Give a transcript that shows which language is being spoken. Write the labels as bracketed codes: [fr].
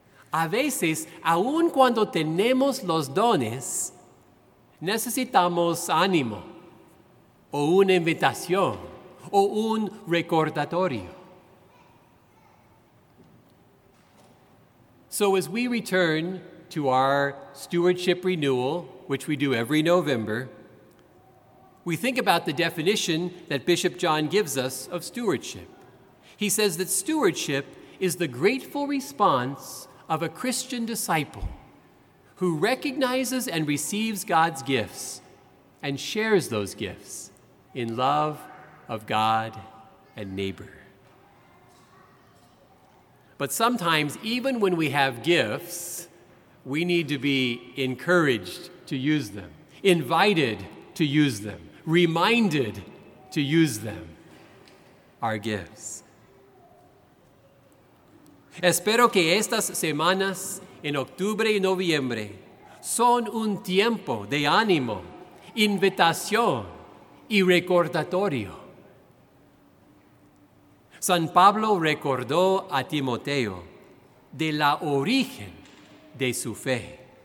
[es] A veces, aun cuando tenemos los dones, necesitamos ánimo, o una invitación, o un recordatorio. [en] So as we return to our stewardship renewal, which we do every November, we think about the definition that Bishop John gives us of stewardship. He says that stewardship is the grateful response of a Christian disciple who recognizes and receives God's gifts and shares those gifts in love of God and neighbor. But sometimes, even when we have gifts, we need to be encouraged to use them, invited to use them, reminded to use them, our gifts. [es] Espero que estas semanas en octubre y noviembre son un tiempo de ánimo, invitación y recordatorio. San Pablo recordó a Timoteo de la origen de su fe.